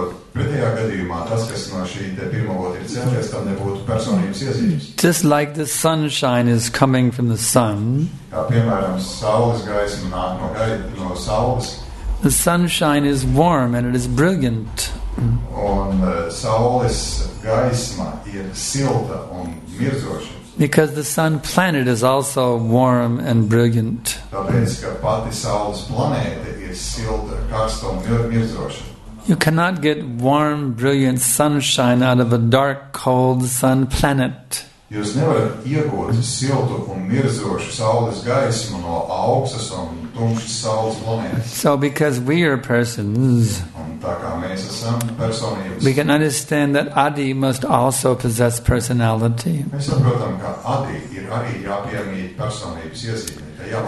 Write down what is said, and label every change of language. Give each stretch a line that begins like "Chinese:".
Latvian: Pretējā gadījumā, tas, kas no šī te pirmavota ir cēlies, tad nebūtu personības iezīmes.
English: Just like the sunshine is coming from the sun.
Latvian: Kā piemēram, saules gaisma nāk no gaida, no saules.
English: The sunshine is warm and it is brilliant.
Latvian: Un saules gaisma ir silta un mirdzoša.
English: Because the sun planet is also warm and brilliant.
Latvian: Tāpēc, ka pati saules planēte ir silta, karsta un mirdzoša.
English: You cannot get warm, brilliant sunshine out of a dark, cold sun planet.
Latvian: Jūs nevarat iegūt siltu un mirdzošu saules gaismu no augstas un tumšas saules planētas.
English: So because we are persons,
Latvian: un tā kā mēs esam personības,
English: we can understand that Adi must also possess personality.
Latvian: Mēs saprotam, ka Adi ir arī jāpiemīt personības iezīmē.